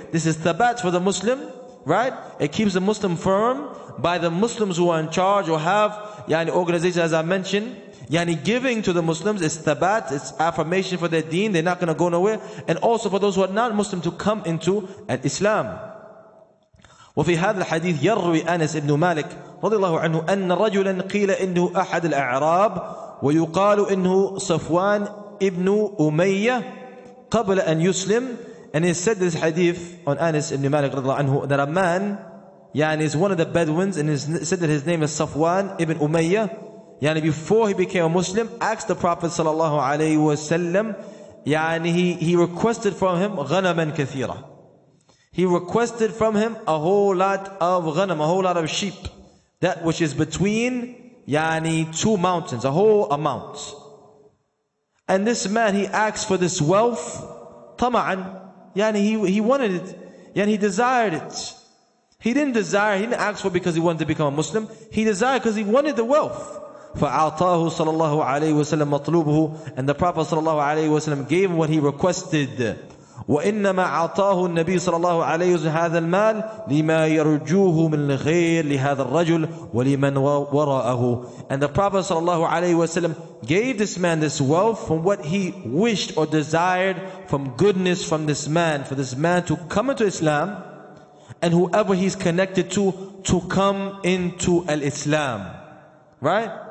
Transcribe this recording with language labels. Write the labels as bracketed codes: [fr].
[en] This is thabat for the Muslim. Right? It keeps the Muslim firm by the Muslims who are in charge or have yani organizations, as I mentioned. Yani giving to the Muslims is thabat. It's affirmation for their deen. They're not going to go nowhere. And also for those who are not Muslim to come into an Islam. [ar] وفي هذا الحديث يروي أنس بن مالك رضي الله عنه أن رجلا قيل إنه أحد الأعراب ويقال إنه صفوان ابن أمية قبل أن يسلم. [en] And he said this hadith on Anas ibn Malik رضي الله عنه, that a man يعني is one of the Bedouins, and he said that his name is Safwan ibn Umayya. يعني before he became a Muslim, asked the Prophet صلى الله عليه وسلم, يعني he requested from him [ar] غنماً كثيرة. [en] He requested from him a whole lot of غنم, a whole lot of sheep, that which is between يعني two mountains, a whole amount. And this man, he asked for this wealth طمعاً. Yani he wanted it. Yani he desired it. He didn't ask for because he wanted to become a Muslim. He desired because he wanted the wealth. [ar] فعطاه صلى الله عليه وسلم مطلوبه, [en] and the Prophet صلى الله عليه وسلم gave what he requested. [ar] وإنما عطاه النبي صلى الله عليه وسلم هذا المال لما يرجوه من الخير لهذا الرجل ولمن وراءه. [en] And the Prophet صلى الله عليه وسلم gave this man this wealth from what he wished or desired from goodness from this man, for this man to come into Islam and whoever he's connected to come into al-Islam. Right?